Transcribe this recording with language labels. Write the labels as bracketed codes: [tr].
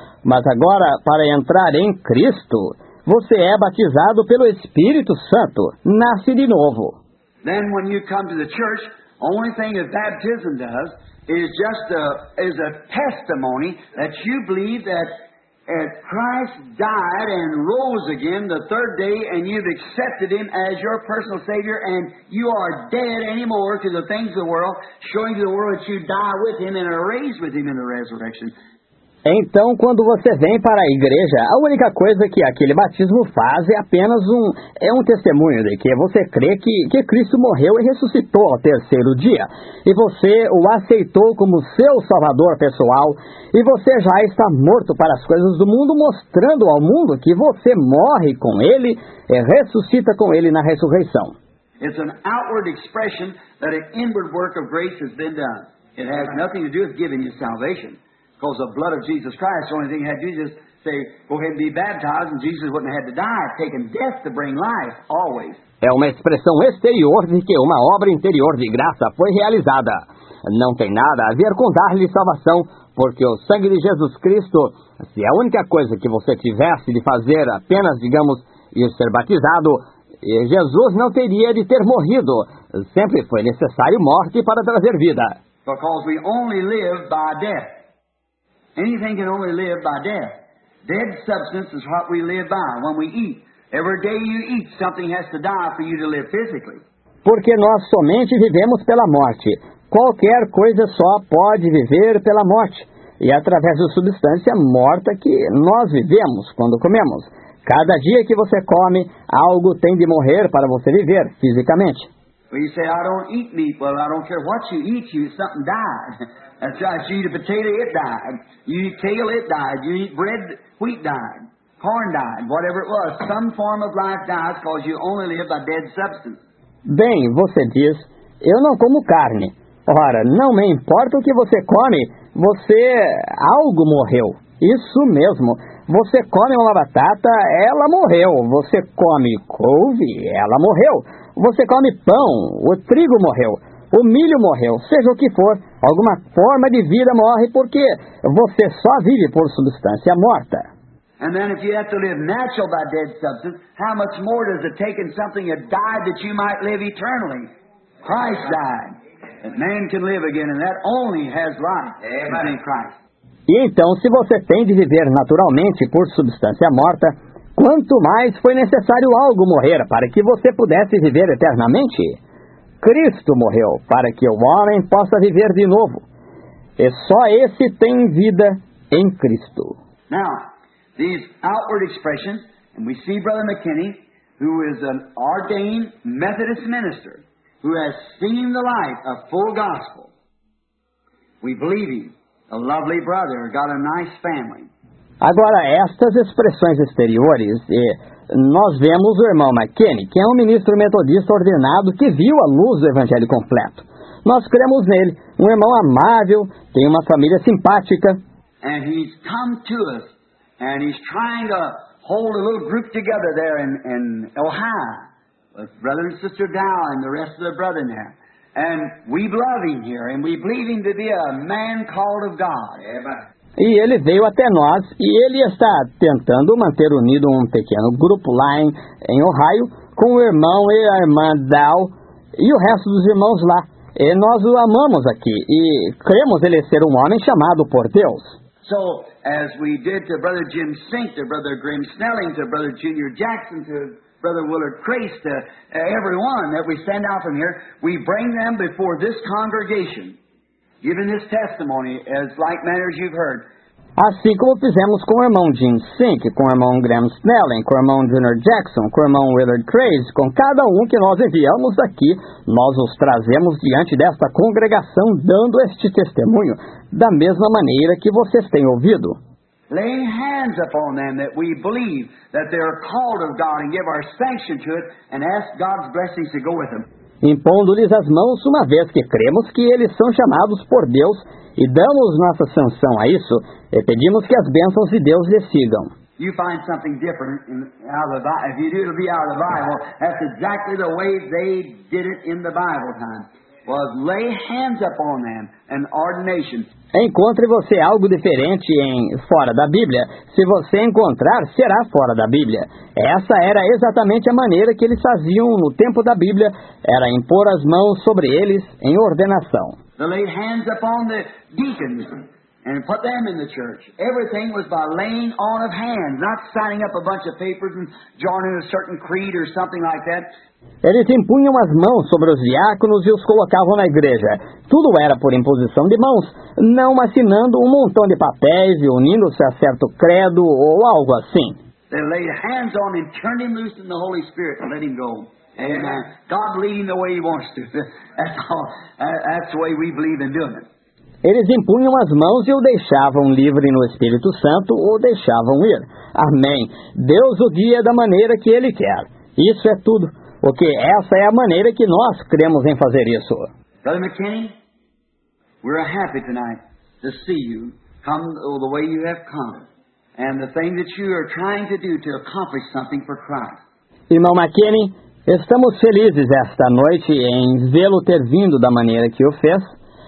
[pt] Mas agora, para entrar em Cristo, você é batizado pelo Espírito Santo, nasce de novo. [en] Then when you come to the church, only thing that baptism does is just a testimony that you believe that Christ died and rose again the third day and you've accepted him as your personal Savior and you are dead anymore to the things of the world, showing to the world that you die with him and are raised with him in the resurrection. [pt] Então, quando você vem para a igreja, a única coisa que aquele batismo faz é apenas um testemunho de que você crê que Cristo morreu e ressuscitou ao terceiro dia, e você o aceitou como seu salvador pessoal, e você já está morto para as coisas do mundo, mostrando ao mundo que você morre com ele e ressuscita com ele na ressurreição. É uma [en] outward [pt] expressão que um [en] inward work of grace has been done. It has nothing to do with giving you salvation. Because the blood of Jesus Christ, the only thing he had to do is say, go ahead and be baptized, and Jesus wouldn't have had to die. It's taken death to bring life, always. [pt] É uma expressão exterior de que uma obra interior de graça foi realizada. Não tem nada a ver com dar-lhe salvação, porque o sangue de Jesus Cristo, se a única coisa que você tivesse de fazer apenas, digamos, ir ser batizado, Jesus não teria de ter morrido. Sempre foi necessário morte para trazer vida. [en] Because we only live by death. Anything can only live by death. Dead substance is what we live by when we eat. Every day you eat, something has to die for you to live physically. [pt] Porque nós somente vivemos pela morte. Qualquer coisa só pode viver pela morte. E através da substância morta que nós vivemos quando comemos. Cada dia que você come, algo tem de morrer para você viver fisicamente. [en] Well, you say, I don't eat meat. Well, I don't care what you eat, something dies. That's right. You eat a potato, it died. You eat kale, it died. You eat bread, wheat died. Corn died. Whatever it was, some form of life dies because you only live by dead substance. [pt] Bem, você diz, eu não como carne. Ora, não me importa o que você come, você... algo morreu. Isso mesmo. Você come uma batata, ela morreu. Você come couve, ela morreu. você come pão, o trigo morreu, o milho morreu, seja o que for, alguma forma de vida morre porque você só vive por substância morta. [en] And then if you have to live natural by dead substance, how much more does it take in something that died that you might live eternally? Christ died. And man can live again, and that only has life. Amen. In Christ. [pt] E então, se você tem de viver naturalmente por substância morta, quanto mais foi necessário algo morrer para que você pudesse viver eternamente? Cristo morreu para que o homem possa viver de novo. E só esse tem vida em Cristo. [en] Now, these outward expressions, and we see Brother McKinney, who is an ordained Methodist minister, who has seen the light of full gospel. We believe him. A lovely brother, got a nice family. [pt] Agora, estas expressões exteriores, e nós vemos o irmão McKinney, que é um ministro metodista ordenado que viu a luz do evangelho completo. Nós cremos nele, um irmão amável, tem uma família simpática. [en] And he's come to us, and he's trying to hold a little group together there in Ohio, with brother and sister Dow and the rest of the brethren there. And we love him here, and we believe him to be a man called of God. [pt] E ele veio até nós, e ele está tentando manter unido um pequeno grupo lá em Ohio, com o irmão e a irmã Dow, e o resto dos irmãos lá. E nós o amamos aqui, e cremos ele ser um homem chamado por Deus. [en] So, as we did to Brother Jim Sink, to Brother Grim Snelling, to Brother Junior Jackson, to Brother Willard Crace, to everyone that we send out from here, we bring them before this congregation, giving this testimony as like manners you've heard. [pt] Assim como fizemos com o irmão Jim Sink, com o irmão Graham Snelling, com o irmão Junior Jackson, com o irmão Willard Crace, com cada um que nós enviamos aqui, nós os trazemos diante desta congregação dando este testemunho, da mesma maneira que vocês têm ouvido. [en] Laying hands upon them that we believe that they are called of God and give our sanction to it and ask God's blessings to go with them. [pt] Impondo-lhes as mãos uma vez que cremos que eles são chamados por Deus e damos nossa sanção a isso e pedimos que as bênçãos de Deus lhes sigam. [en] You find something different in out of the Bible. If you do, it'll be out of the Bible. That's exactly the way they did it in the Bible time. Was lay hands upon them and ordination. [pt] Encontre você algo diferente em fora da Bíblia. Se você encontrar, será fora da Bíblia. Essa era exatamente a maneira que eles faziam no tempo da Bíblia. Era impor as mãos sobre eles em ordenação. [en] They laid hands upon the deacons and put them in the church. Everything was by laying on of hands, not signing up a bunch of papers and joining a certain creed or something like that. [pt] Eles impunham as mãos sobre os diáconos e os colocavam na igreja. Tudo era por imposição de mãos, não assinando um montão de papéis e unindo-se a certo credo ou algo assim. [en] They laid hands on and turned him loose in the Holy Spirit and let him go. Amen. God leading the way he wants to. That's all. That's the way we believe in doing it. [pt] Eles impunham as mãos e o deixavam livre no Espírito Santo ou deixavam ir. Amém. Deus o guia da maneira que ele quer. Isso é tudo. Porque essa é a maneira que nós cremos em fazer isso. [en] Brother McKinney, we're happy tonight to see you come the way you have come. And the thing that you are trying to do to accomplish something for Christ. [pt] Irmão McKinney, estamos felizes esta noite em vê-lo ter vindo da maneira que o fez.